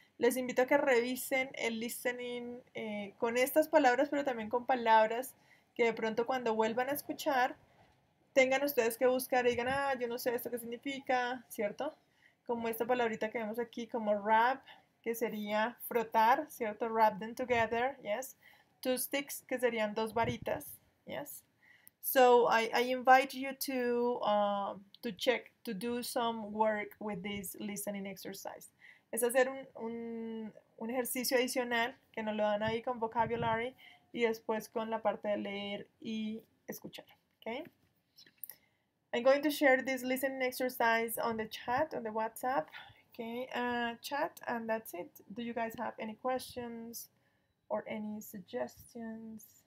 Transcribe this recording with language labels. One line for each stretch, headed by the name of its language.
Spanish: les invito a que revisen el listening con estas palabras, pero también con palabras que de pronto cuando vuelvan a escuchar, tengan ustedes que buscar y digan, ah, yo no sé esto qué significa, ¿cierto? Como esta palabrita que vemos aquí, como wrap, que sería frotar, ¿cierto?
English: Wrap them together, yes. Two sticks,
Spanish: que serían dos varitas,
English: yes. So I invite you to check, to do some work with this listening exercise.
Spanish: Es hacer un ejercicio adicional que nos lo dan ahí con vocabulary y después con la parte de leer y escuchar, okay?
English: I'm going to share this listening exercise on the chat, on the WhatsApp, okay? Chat, and that's it. Do you guys have any questions or any suggestions?